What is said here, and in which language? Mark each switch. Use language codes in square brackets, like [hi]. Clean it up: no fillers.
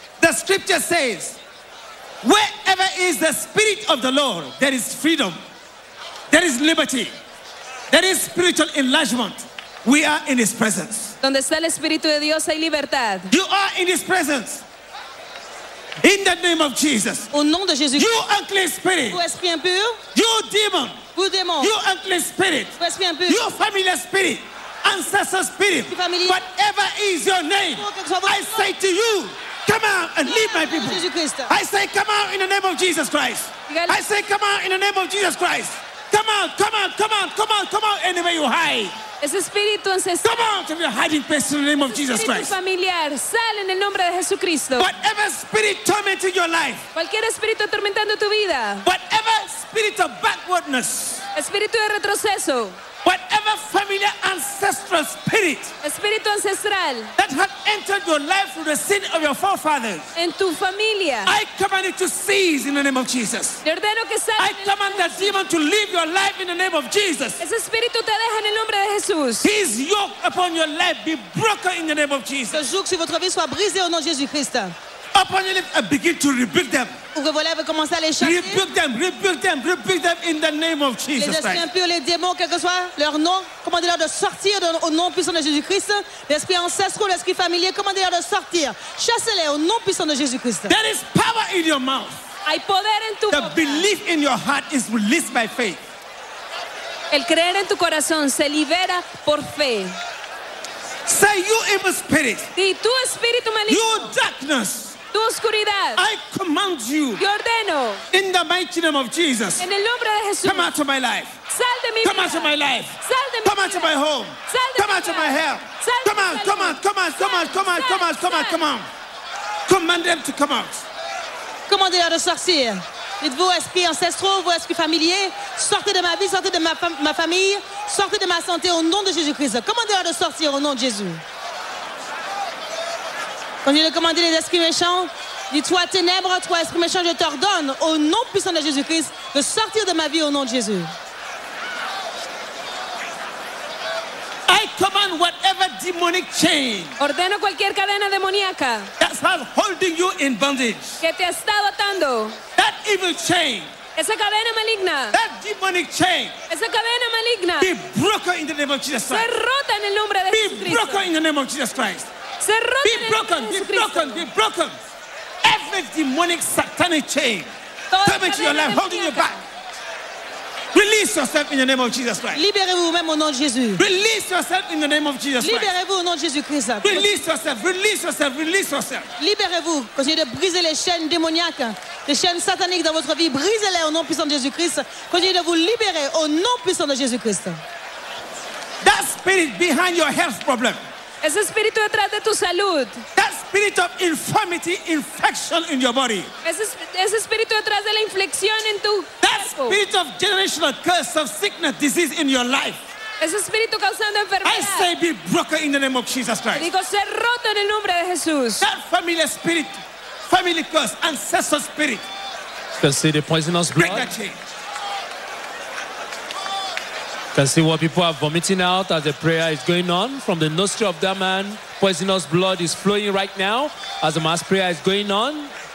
[en] The scripture says, wherever is the spirit of the Lord, there is freedom, there is liberty, there is spiritual enlargement. We are in his presence. [es] Donde está el espíritu de Dios hay libertad. [en] You are in his presence. In the name of Jesus. [fr] Au nom de Jésus. [en] You unclean spirit. [fr] Vous esprit impur. [en] You demon. [fr] Vous démon. [en] You unclean spirit. [fr] Vous esprit impur. [en] You familiar spirit. Ancestor spirit. Whatever is your name, I say to you, come out and leave my people. I say, come out in the name of Jesus Christ. I say, come out in the name of Jesus Christ. Come out, come out, come out, come out, come out anywhere you hide. Come out of your hiding place in the name of Jesus Christ. [es] Familiar, sal en el nombre de Jesucristo. [en] Whatever spirit tormenting your life. [es] Cualquier espíritu atormentando tu vida. [en] Whatever spirit of backwardness. [es] Espíritu de retroceso. [en] Whatever familiar ancestral spirit, [es] espíritu ancestral, [en] that had entered your life through the sin of your forefathers, [es] en tu familia, [en] I command it to cease in the name of Jesus. [es] Le ordeno que salga. [en] I command that demon to leave your life in the name of Jesus. [es] Ese espíritu te deja en el nombre de Jesús. [en] His yoke upon your life be broken in the name of Jesus. [fr] Le yoke sur votre vie soit brisé au nom de Jésus Christ. [en] Upon your lips and begin to rebuild them. Rebuild them in the name of Jesus Christ. [fr] Les esprits impurs, les démons, quel que soit leur nom, commandez-leur de sortir au nom puissant de Jésus Christ. L'esprit ancestral, l'esprit familier, commandez-leur de sortir. Chassez-les au nom puissant de Jésus Christ. [en] There is power in your mouth. [es] Hay poder en tu boca. [en] The belief in your heart is released by faith. [es] El creer en tu corazón se libera por fe. [en] Say, you evil spirit. [es] Di, tu espíritu maligno. [en] You darkness. [es] Tu oscuridad. [en] I command you. [es] Te ordeno. [en] In the mighty name of Jesus. [es] En el nombre de Jesús. [en] Come out of my life. [es] Sal de mi [en] come out of my life. [es] Sal de mi [en] come out of my home. [es] Sal de [en] come out of my health. [es] Sal [en] come out, come out, come out, come out, come out, come out, come out, come out. Command them to come out. [fr] Commandez-leur de sortir. Dites-vous, esprit ancestraux, vous esprit familier, sortez de ma vie, sortez de ma famille, sortez de ma santé au nom de Jésus-Christ. Commandez-leur de sortir au nom de Jésus. On lui a commandé les esprits méchants. Dis-toi, ténèbres, toi, esprit méchant, je t'ordonne, au nom puissant de Jésus-Christ, de sortir de ma vie au nom de Jésus. [en] I command whatever demonic chain. [es] Ordeno cualquier cadena demoníaca. [en] That's not holding you in bondage. [es] Que te está atando. [en] That evil chain. [es] Esa cadena maligna. [en] That demonic chain. [es] Esa cadena maligna. [en] Be broken in the name of Jesus Christ. [es] Se rota en el nombre de Jesucristo. [en] Be broken in the name of Jesus Christ. [es] Se rota [en] be broken, be broken, be broken. Every demonic satanic chain coming to your life, holding you back. Release yourself in the name of Jesus Christ. [fr] Libérez-vous même au nom de Jésus. [en] Release yourself in the name of Jesus Christ. [fr] Libérez-vous au nom de Jésus Christ. [en] Release yourself, release yourself, release yourself. [fr] Libérez-vous. Continuez de briser les chaînes démoniaques, les chaînes sataniques dans votre vie. Brisez-les au nom puissant de Jésus Christ. Continuez de vous libérer au nom puissant de Jésus Christ. [en] That spirit behind your health problem. [es] Ese espíritu detrás de tu salud. [en] That spirit of infirmity, infection in your body. [es] Ese espíritu detrás de la inflexión en tu cuerpo. [en] That spirit of generational curse of sickness, disease in your life. [es] Ese espíritu causando enfermedad. [en] I say be broken in the name of Jesus Christ. [es] Digo ser roto en el nombre de Jesús. [en] That family spirit, family curse, ancestral spirit. You can see the poisonous blood. Break that chain. Can see what people are vomiting out as the prayer is going on from the nostril of that man. Poisonous blood is flowing right now as the mass prayer is going on.